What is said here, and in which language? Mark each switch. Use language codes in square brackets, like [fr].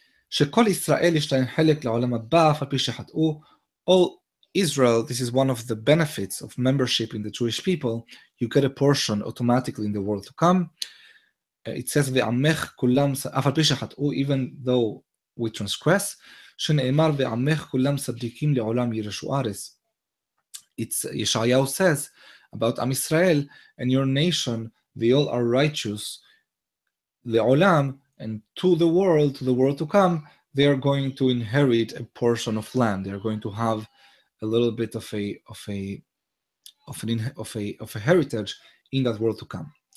[he] שכל ישראל יש להם חלק לעולם הבא, אף על פי שחטאו. [en] All Israel, this is one of the benefits of membership in the Jewish people. You get a portion automatically in the world to come. It says, [he] ועמך כולם, אף על פי שחטאו, [en] even though we transgress, [he] שנאמר, ועמך כולם צדיקים לעולם ירשו ארץ. [en] It's Yeshayahu says about Am Israel and your nation, they all are righteous. לעולם, and to the world to come, they are going to inherit a portion of land. They are going to have a little bit of a heritage in that world to come.